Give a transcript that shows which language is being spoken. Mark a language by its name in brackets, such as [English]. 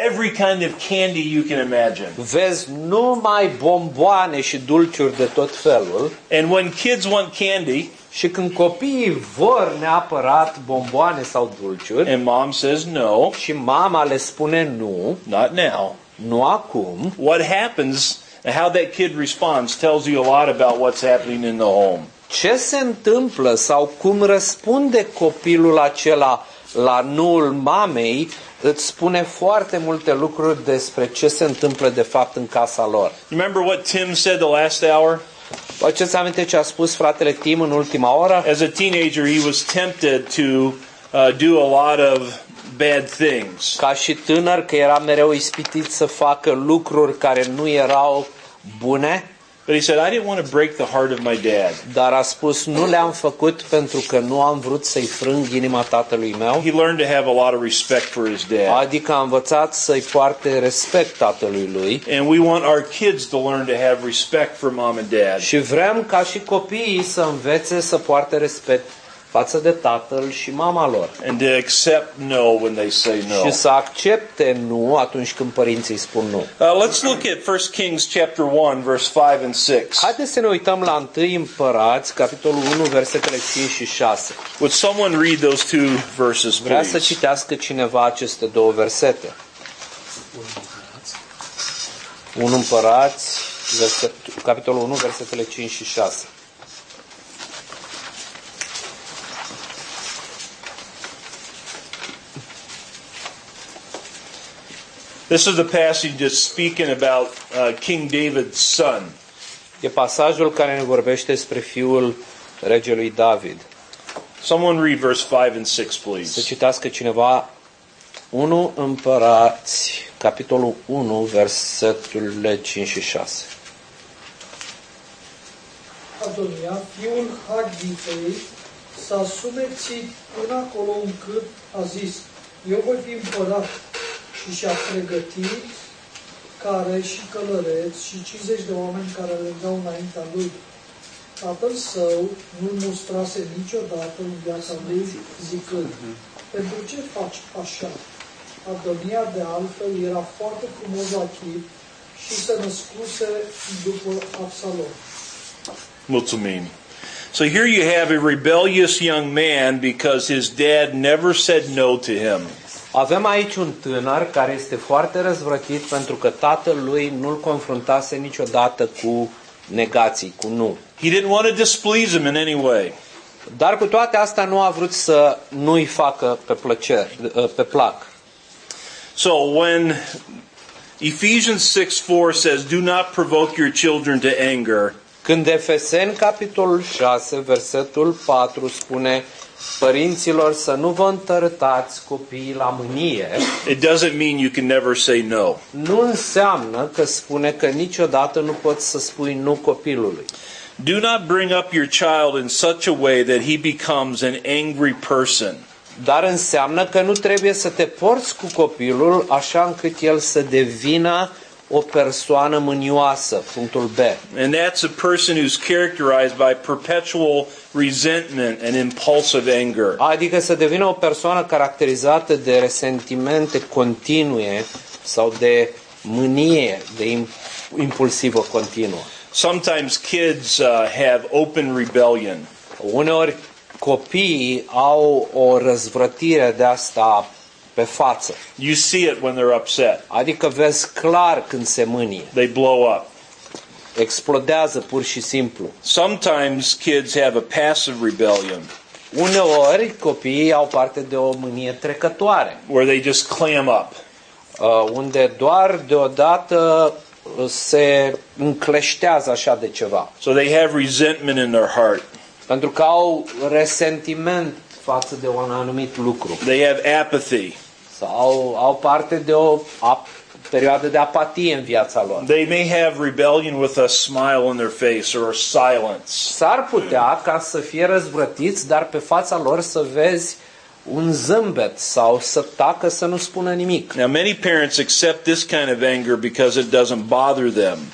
[English] Every kind of candy you can imagine. [Romanian] Vezi numai bomboane și dulciuri de tot felul. [English] And when kids want candy, [Romanian] și când copiii vor neapărat bomboane sau dulciuri, [English] and mom says no, [Romanian] și mama le spune nu, [English] not now, [Romanian] nu acum, [English] what happens, how that kid responds tells you a lot about what's happening in the home. [Romanian] Ce se întâmplă sau cum răspunde copilul acela la nuul mamei îți spune foarte multe lucruri despre ce se întâmplă de fapt în casa lor. [English] Remember what Tim said the last hour? [Romanian] Vă ce aminte ce a spus fratele Tim în ultima oră? [English] As a teenager he was tempted to do a lot of bad things. [Romanian] Ca și tânăr că era mereu ispitit să facă lucruri care nu erau bune. [English] But he said I didn't want to break the heart of my dad. [Romanian] Dar a spus nu le-am făcut pentru că nu am vrut să-i frâng inima tatălui meu. [English] He learned to have a lot of respect for his dad. [Romanian] Adică a învățat să-i poarte respect tatălui lui. [English] And we want our kids to learn to have respect for mom and dad. [Romanian] Și vrem ca și copiii să învețe să poarte respect față de tatăl și mama lor. [English] And to accept no when they say no. [Romanian] Și să accepte nu atunci când părinții spun nu. [English] Let's look at 1 Kings chapter 1 verse 5 and 6. [Romanian] Haideți să ne uităm la 1 Împărați capitolul 1 versetele 5 și 6. [English] Would someone read those two verses, please? [Romanian] Vreau să citească cineva aceste două versete. 1 Împărați capitolul 1 versetele 5 și 6. [English] This is the passage that's speaking about King David's son. [Romanian] E pasajul care ne vorbește despre fiul regelui David. [English] Someone read verse 5 and 6, please. [Romanian] Să citească cineva 1 Împărați, capitolul 1, versetele 5 și 6. Adonia, fiul Hagbitei, s-a sumețit până acolo încât a zis, eu voi fi împărat. Și și-a pregătit care și călăreți și 50 de oameni care alergau înaintea lui. Tatăl său nu-l mustrase niciodată în viața lui, zicând, pentru ce faci așa? Adonia de altfel era foarte frumos la chip și se născuse după Absalom. Mulțumim! [English] So here you have a rebellious young man because his dad never said no to him. [Romanian] Avem aici un tânăr care este foarte răzvrătit pentru că tatăl lui nu-l confruntase niciodată cu negații, cu nu. [English] He didn't want to displease him in any way. [Romanian] Dar cu toate astea nu a vrut să nu-i facă pe plăcere, pe plac. [English] So when Ephesians 6:4 says do not provoke your children to anger. [Romanian] Când Efeseni capitolul 6 versetul 4 spune părinților să nu vă întărâtați copiii la mânie. [English] It doesn't mean you can never say no. [Romanian] Nu înseamnă că spune că niciodată nu poți să spui nu copilului. [English] Do not bring up your child in such a way that he becomes an angry person. [Romanian] Dar înseamnă că nu trebuie să te porți cu copilul așa încât el să devină o persoană mânioasă. Punctul B. [English] And that's a person who's characterized by perpetual resentment and impulsive anger. [Romanian] Adică să devină o persoană caracterizată de resentimente continue sau de mânie, de impulsivă continuă. [English] Sometimes kids have open rebellion. [Romanian] Uneori copiii au o răzvrătire de asta pe față. [English] You see it when they're upset. [Romanian] Adică vezi clar când se mânie. [English] They blow up. [Romanian] Explodează pur și simplu. [English] Sometimes kids have a passive rebellion. [Romanian] Uneori copiii au parte de o mânie trecătoare. [English] Where they just clam up. [Romanian] Unde doar deodată se încleștează așa de ceva. [English] So they have resentment in their heart. [Romanian] Pentru că au resentiment față de un anumit lucru. [English] They have apathy. [Romanian] Sau au parte de o perioadă de apatie în viața lor. [English] They may have rebellion with a smile on their face or a silence. [Romanian] S-ar putea ca să fie răzvrătiți, dar pe fața lor să vezi un zâmbet sau să tacă să nu spună nimic. [English] Now many parents accept this kind of anger because it doesn't bother them.